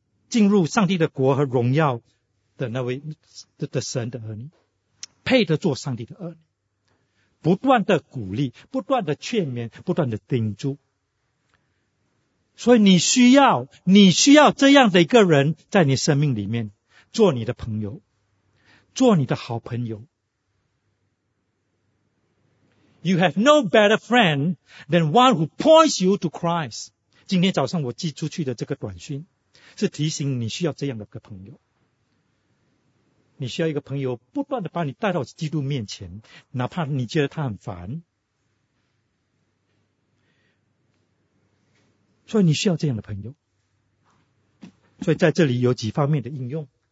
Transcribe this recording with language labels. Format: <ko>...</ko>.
<zh>进入上帝的国和荣耀的那位 的神的儿女，配得做上帝的儿女，不断的鼓励，不断的劝勉，不断的叮嘱。所以你需要这样的一个人在你生命里面，做你的朋友，做你的好朋友。</zh> <en>You have no better friend than one who points you to Christ.</en> <zh>今天早上我寄出去的这个短讯是提醒你需要这样的一个朋友，你需要一个朋友不断的把你带到基督面前，哪怕你觉得他很烦。所以你需要这样的朋友。所以在这里有几方面的应用。</zh>